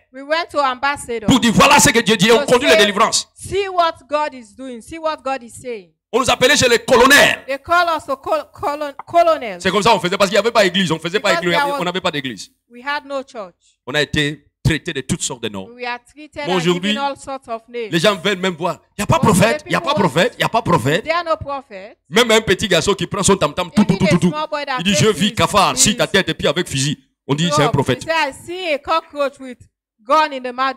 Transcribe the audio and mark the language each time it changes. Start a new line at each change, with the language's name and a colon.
English: We went to ambassadors.
French: Pour dire voilà ce que Dieu dit. On conduit la délivrance.
English: See what God is doing. See what God is saying.
French: On nous appelait chez les colonels.
English: They call us colonels.
French: C'est comme ça qu'on faisait parce qu'il n'y avait pas d'église. On faisait
English: because
French: pas église. On n'avait pas d'église.
English: We had no church.
French: On a été traité de toutes sortes de noms.
English: We are treated and given all sorts of names.
French: Les gens veulent même voir. Il n'y a pas prophète. Il n'y a pas prophète. Il n'y a pas prophète.
English: There are no prophets.
French: Même un petit garçon qui prend son tam-tam tout. Il dit je vis cafard, si ta tête et puis avec fusil. On dit
English: no,
French: c'est un prophète.
English: He says, see a cockroach with gun in the mouth.